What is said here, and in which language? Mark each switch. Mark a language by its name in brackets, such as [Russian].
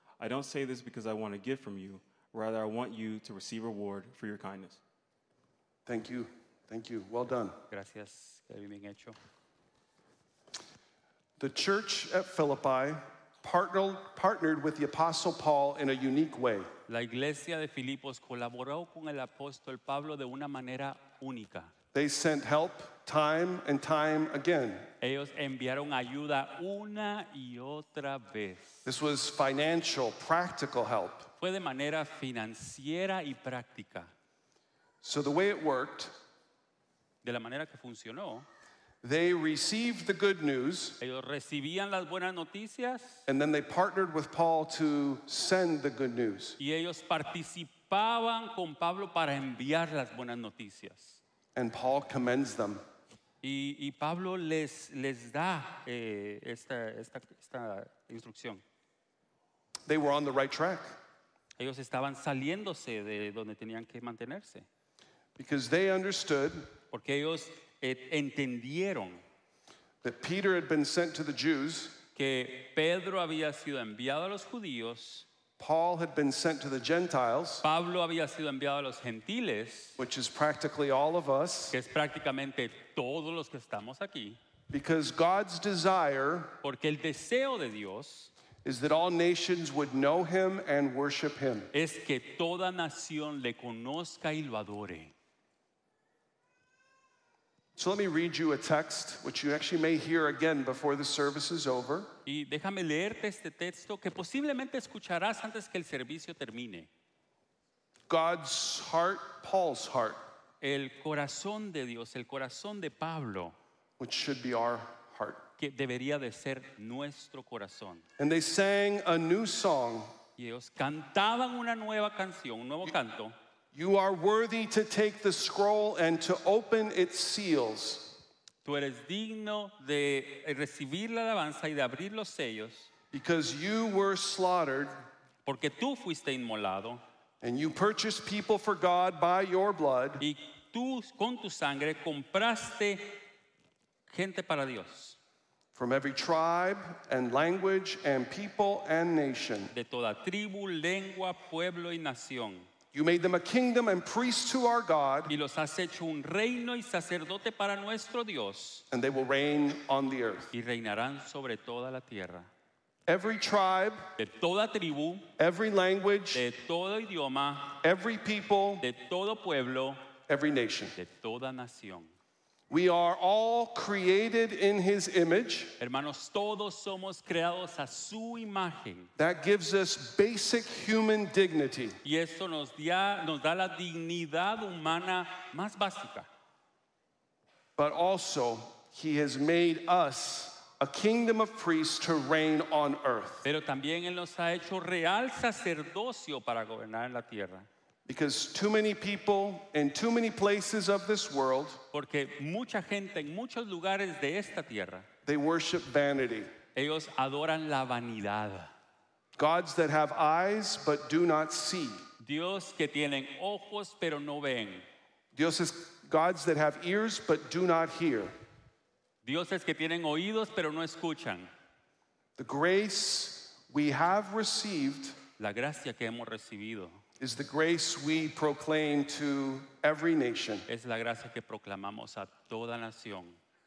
[English] I don't say this because I want a gift from you. Rather, I want you to receive reward for your kindness. Thank you. Thank you. Well done. [Spanish] Gracias. Bien hecho. [English] The church at Philippi partnered with the Apostle Paul in a unique way. [Spanish] La iglesia de Filipos colaboró con el apóstol Pablo de una manera única. [English] They sent help time and time again. [Spanish] Ellos enviaron ayuda una y otra vez. [English] This was financial, practical help. [Spanish] Fue de manera financiera y práctica. [English] So the way it worked, [Spanish] de la manera que funcionó, [English] they received the good news, [Spanish] ellos recibían las buenas noticias, [English] and then they partnered with Paul to send the good news. [Spanish] Y ellos participaban con Pablo para enviar las buenas noticias. [English] And Paul commends them. [Spanish] Y Pablo les da esta instrucción. [English] They were on the right track. [Spanish] Ellos estaban saliéndose de donde tenían que mantenerse. [English] Because they understood, [Spanish] porque ellos entendieron, [English] that Peter had been sent to the Jews, [Spanish] que Pedro había sido enviado a los judíos, [English] Paul had been sent to the Gentiles, [Spanish] Pablo había sido enviado a los gentiles, [English] which is practically all of us, [Spanish] que es prácticamente todos los que estamos aquí, [English] because God's desire, [Spanish] porque el deseo de Dios, [English] is that all nations would know him and worship him. [Spanish] Es que toda nación le conozca y lo adore. [English] So let me read you a text, which you actually may hear again before the service is over. [Spanish] Y déjame leerte este texto que posiblemente escucharás antes que el servicio termine. [English] God's heart, Paul's heart. [Spanish] El corazón de Dios, el corazón de Pablo. [English] Which should be our heart. [Spanish] Que debería de ser nuestro corazón. [English] And they sang a new song. [Spanish] Y ellos cantaban una nueva canción, un nuevo canto. [English] You are worthy to take the scroll and to open its seals. [Spanish] Tú eres digno de recibir la alabanza y de abrir los sellos. [English] Because you were slaughtered. [Spanish] Porque tú fuiste inmolado. [English] And you purchased people for God by your blood. [Spanish] Y tú con tu sangre compraste gente para Dios. [English] From every tribe and language and people and nation. [Spanish] De toda tribu, lengua, pueblo y nación. [English] You made them a kingdom and priests to our God. [Spanish] Y los has hecho un reino y sacerdote para nuestro Dios. [English] And they will reign on the earth. [Spanish] Y reinarán sobre toda la tierra. [English] Every tribe, [Spanish] de toda tribu, [English] every language, [Spanish] de todo idioma, [English] every people, [Spanish] de todo pueblo, [English] every nation, [Spanish] de toda nación. [English] We are all created in his image. [Spanish] Hermanos, todos somos creados a su imagen. [English] That gives us basic human dignity. [Spanish] Y eso nos da la dignidad humana más básica. [English] But also, he has made us a kingdom of priests to reign on earth. [Spanish] Pero también él nos ha hecho real sacerdocio para gobernar en la tierra. [English] Because too many people in too many places of this world, [Spanish] porque mucha gente en muchos lugares de esta tierra, [English] they worship vanity. [Spanish] Ellos adoran la vanidad. [English] Gods that have eyes but do not see. [Spanish] Dios que tienen ojos pero no ven. [English] Dioses, gods that have ears but do not hear. [Spanish] Dioses que tienen oídos pero no escuchan. [English] The grace we have received, [Spanish] la gracia que hemos recibido, [English] is the grace we proclaim to every nation. [Spanish] Es la gracia que proclamamos a toda nación.